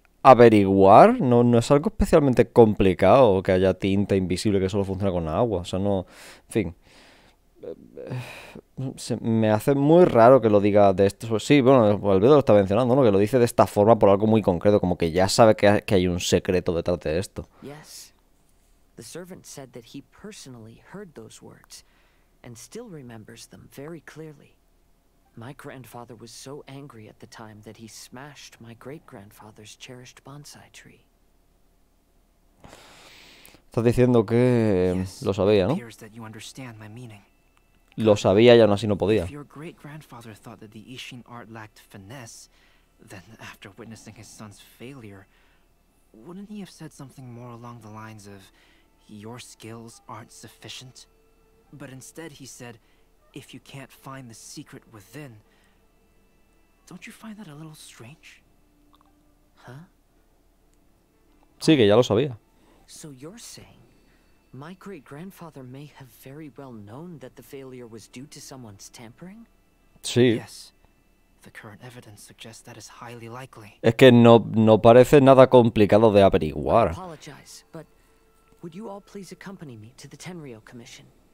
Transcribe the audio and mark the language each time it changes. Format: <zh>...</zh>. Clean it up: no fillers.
<es>averiguar, no es algo especialmente complicado que haya tinta invisible que solo funciona con agua, o sea, no, en fin. Me hace muy raro que lo diga de esto. Sí, bueno, Albedo lo está mencionando, ¿no? Que lo dice de esta forma por algo muy concreto, como que ya sabe que hay un secreto detrás de esto.</es> <en>Yes. The servant said that he personally heard those words and still remembers them very clearly. My grandfather was so angry at the time that he smashed my great-grandfather's cherished bonsai tree.</en> <es>Estás diciendo que lo sabía, ¿no?</es> <en>Yes, that you understand my meaning.</en> <es>Lo sabía y aún así no podía.</es> <en>If your great-grandfather thought that the Ishin art lacked finesse, then after witnessing his son's failure, wouldn't he have said something more along the lines of, your skills aren't sufficient? But instead he said, if you can't find the secret within, don't you find that a little strange? Huh?</en> <es>Sí, que ya lo sabía.</es> <en>So you're saying my great grandfather may have very well known that the failure was due to someone's tampering?</en> <es>Sí.</es> <en>Yes. The current evidence suggests that is highly likely.</en> <es>Es que no parece nada complicado de averiguar.</es> <en>I apologize, but would you all please accompany me to the Tenryo Commission?</en>